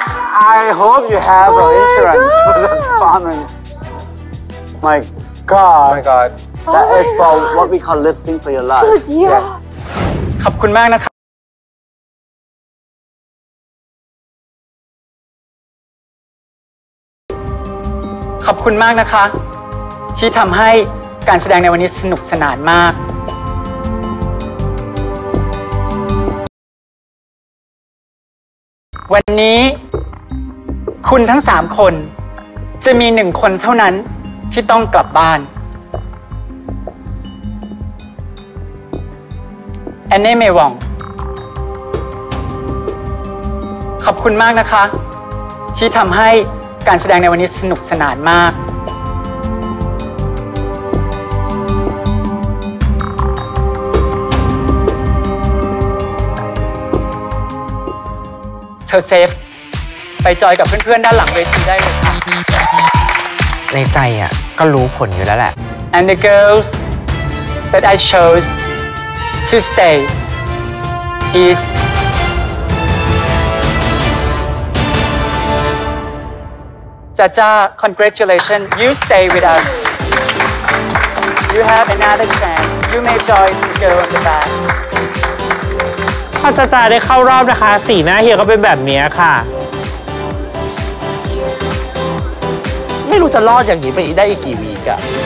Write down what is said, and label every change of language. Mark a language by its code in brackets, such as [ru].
[en] I hope you have an insurance for that performance. My God. Oh my God. That oh is for what we call lipstick for your life. [th] สุดยอด ขอบคุณมากนะครับ ขอบคุณมากนะคะที่ทำให้การแสดงในวันนี้สนุกสนานมาก วันนี้คุณทั้ง3คนจะมี1คนเท่านั้นที่ต้องกลับบ้านแอนเน่เมวองขอบคุณมากนะคะที่ทำให้การแสดงในวันนี้สนุกสนานมาก เธอเซฟไปจอยกับเพื่อนๆด้านหลังเวทีได้เลยค่ะ ในใจอ่ะก็รู้ผลอยู่แล้วแหละ [en] And the girls that I chose to stay is จ้าจ้า congratulations you stay with us you have another chance you may join the girl on the back [th] ถ้าจ้าจ้าได้เข้ารอบนะคะสีหน้าเฮียก็เป็นแบบนี้ค่ะ ไม่รู้จะรอดอย่างนี้ไปได้อีกกี่วีกอะ